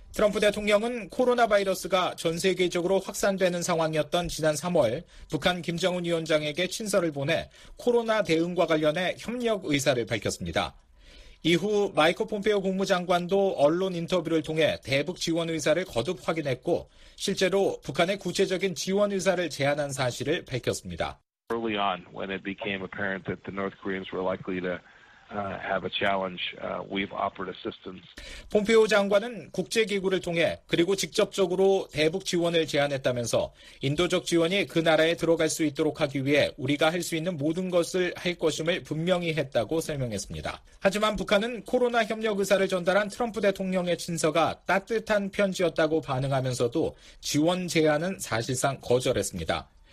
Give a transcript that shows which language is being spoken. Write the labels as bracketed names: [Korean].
[Korean] 트럼프 대통령은 코로나 바이러스가 전 세계적으로 확산되는 상황이었던 지난 3월 북한 김정은 위원장에게 친서를 보내 코로나 대응과 관련해 협력 의사를 밝혔습니다. 이후 마이크 폼페오 국무장관도 언론 인터뷰를 통해 대북 지원 의사를 거듭 확인했고 실제로 북한의 구체적인 지원 의사를 제안한 사실을 밝혔습니다. [English] Early on when it became apparent that the North Koreans were likely to have a challenge. We've offered assistance. [Korean] 폼페오 장관은 국제기구를 통해 그리고 직접적으로 대북 지원을 제안했다면서 인도적 지원이 그 나라에 들어갈 수 있도록 하기 위해 우리가 할 수 있는 모든 것을 할 것임을 분명히 했다고 설명했습니다. 하지만 북한은 코로나 협력 의사를 전달한 트럼프 대통령의 친서가 따뜻한 편지였다고 반응하면서도 지원 제안은 사실상 거절했습니다.